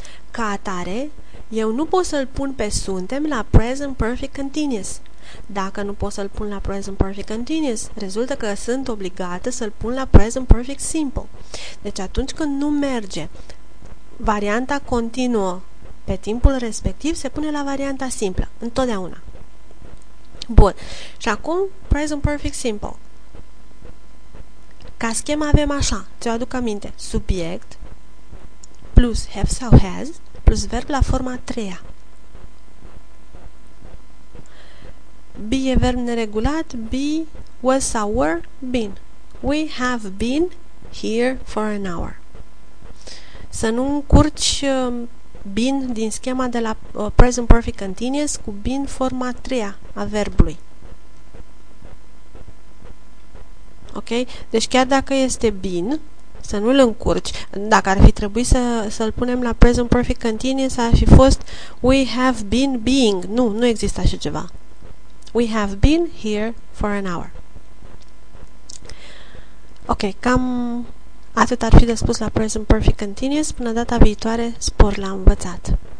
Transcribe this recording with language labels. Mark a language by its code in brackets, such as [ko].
[ro] Ca atare, eu nu pot să-l pun pe suntem la present perfect continuous. Dacă nu pot să-l pun la present perfect continuous, rezultă că sunt obligată să-l pun la present perfect simple. Deci atunci când nu merge varianta continuă pe timpul respectiv se pune la varianta simplă, întotdeauna. Bun. Și acum, present perfect simple. Ca schema avem așa, ți-o aduc aminte, subiect plus have sau has plus verb la forma a treia. Be e verb neregulat, be, was sau were, been. [en] We have been here for an hour. [ro] Să nu încurci been din schema de la present perfect continuous cu been forma a treia a verbului. Ok? Deci chiar dacă este been, să nu-l încurci. Dacă ar fi trebuit să-l punem la present perfect continuous, ar fi fost [en] we have been being. [ro] Nu, nu există așa ceva. [en] We have been here for an hour. [ro] Ok, cam atât ar fi de spus la present perfect continuous. Până data viitoare, spor la învățat!